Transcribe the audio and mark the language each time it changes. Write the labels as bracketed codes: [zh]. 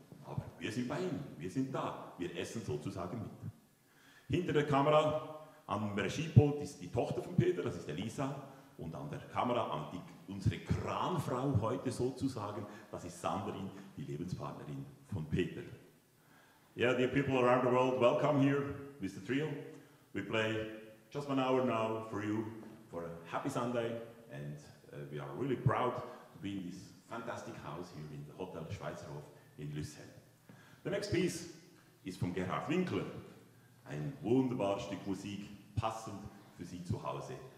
[de] Aber wir sind bei Ihnen, wir sind da, wir essen sozusagen mit. Hinter der Kamera am Regiepult ist die Tochter von Peter, das ist Elisa. Und an der Kamera unsere Kranfrau heute sozusagen, das ist Sandrin, die Lebenspartnerin von Peter. [en] Yeah, dear people around the world, welcome here with the trio. We play just 1 hour now for you, for a happy Sunday, and we are really proud to be in this fantastic house here in the Hotel Schweizerhof in Luzern. The next piece is from Gerhard Winkler. [de] Ein wunderbares Stück Musik, passend für Sie zu Hause.